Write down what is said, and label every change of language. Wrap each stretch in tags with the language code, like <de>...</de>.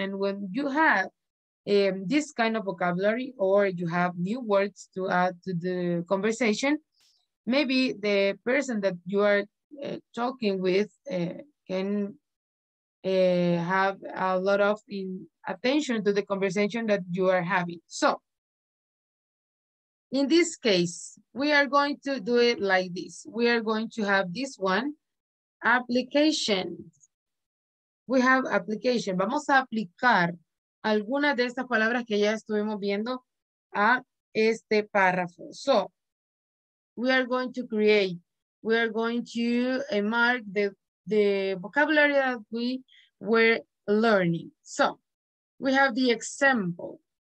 <en>And when you have this kind of vocabulary or you have new words to add to the conversation, maybe the person that you are talking with can have a lot of attention to the conversation that you are having. So in this case, we are going to do it like this. We are going to have this one, application. We have application.</en> <es>Vamos a aplicar algunas de estas palabras que ya estuvimos viendo a este párrafo.</es> <en>So we are going to create, we are going to mark the vocabulary that we were learning. So we have the example.</en>